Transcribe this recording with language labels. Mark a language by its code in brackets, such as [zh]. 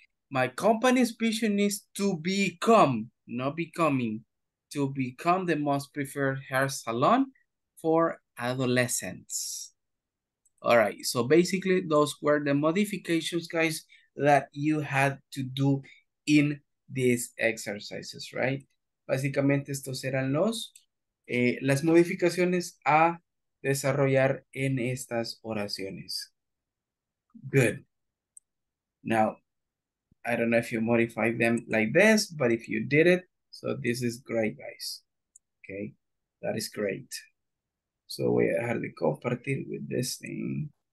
[en] My company's vision is to become, not becoming, to become the most preferred hair salon for adolescents. All right. So basically, those were the modifications, guys, that you had to do in these exercises, right? [es] Básicamente, estos eran los, las modificaciones a desarrollar en estas oraciones. [en] Good. Now, I don't know if you modified them like this, but if you did it, so this is great, guys. Okay, that is great. So, [es] voy a dejar de compartir [en] with this thing.